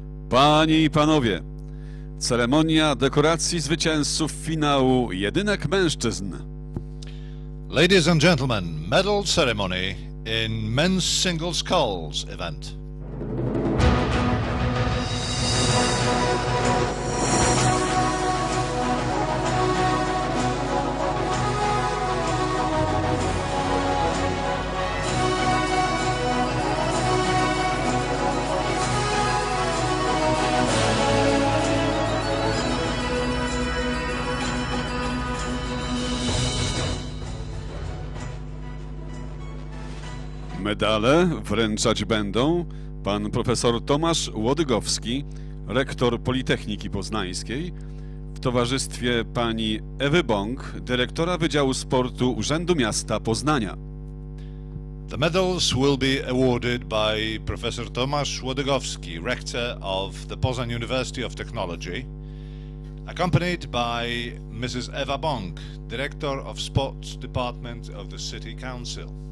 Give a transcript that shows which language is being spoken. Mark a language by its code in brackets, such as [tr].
[pl] Panie i panowie, ceremonia dekoracji zwycięzców finału jedynek mężczyzn. [en] Ladies and gentlemen, medal ceremony in men's singles sculls event. [pl] Medale wręczać będą pan profesor Tomasz Łodygowski, rektor Politechniki Poznańskiej, w towarzystwie pani Ewy Bąk, dyrektora Wydziału Sportu Urzędu Miasta Poznania. [en] The medals will be awarded by profesor Tomasz Łodygowski, rector of the Poznań University of Technology, accompanied by Mrs. Ewa Bąk, director of Sports Department of the City Council.